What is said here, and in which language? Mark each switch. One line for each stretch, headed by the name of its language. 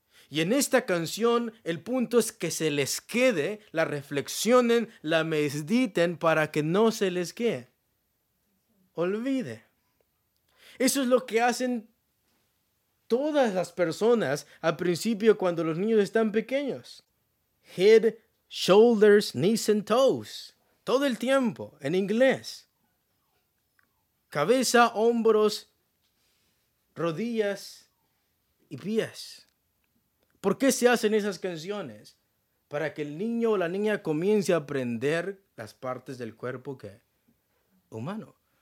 Spanish: Y en esta canción, el punto es que se les quede, la reflexionen, la mediten, para que no se les quede. Olvide. Eso es lo que hacen todas las personas al principio cuando los niños están pequeños.
English: Head, shoulders, knees and toes.
Spanish: Todo el tiempo en inglés. Cabeza, hombros, rodillas y pies. ¿Por qué se hacen esas canciones? Para que el niño o la niña comience a aprender las partes del cuerpo que humano.